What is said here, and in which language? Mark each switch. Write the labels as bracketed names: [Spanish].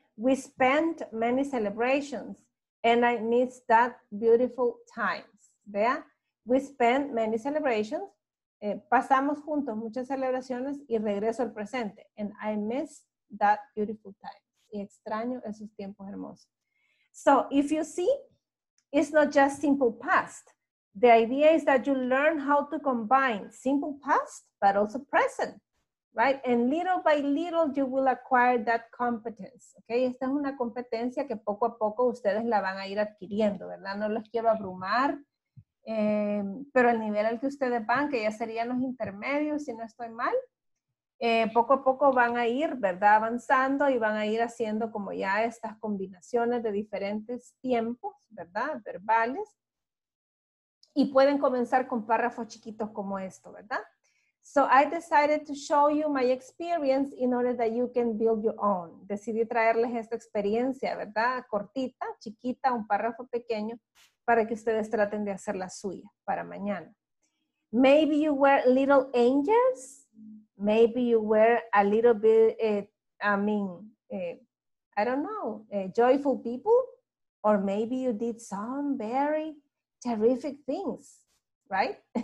[English] We spent many celebrations and I missed that beautiful times. [Spanish] ¿Vea? [English] We spent many celebrations. [Spanish] Pasamos juntos muchas celebraciones y regreso al presente. [English] And I miss that beautiful times. [Spanish] Y extraño esos tiempos hermosos. [English] So if you see, it's not just simple past. The idea is that you learn how to combine simple past, but also present, right? And little by little, you will acquire that competence, okay? [Spanish] Esta es una competencia que poco a poco ustedes la van a ir adquiriendo, ¿verdad? No los quiero abrumar, pero el nivel al que ustedes van, que ya serían los intermedios, si no estoy mal, poco a poco van a ir, ¿verdad? Avanzando y van a ir haciendo como ya estas combinaciones de diferentes tiempos, ¿verdad? Verbales. Y pueden comenzar con párrafos chiquitos como esto, ¿verdad? [English] So I decided to show you my experience in order that you can build your own. [Spanish] Decidí traerles esta experiencia, ¿verdad? Cortita, chiquita, un párrafo pequeño para que ustedes traten de hacer la suya para mañana. [English] Maybe you were little angels. Maybe you were a little bit, joyful people. Or maybe you did some very terrific things, right?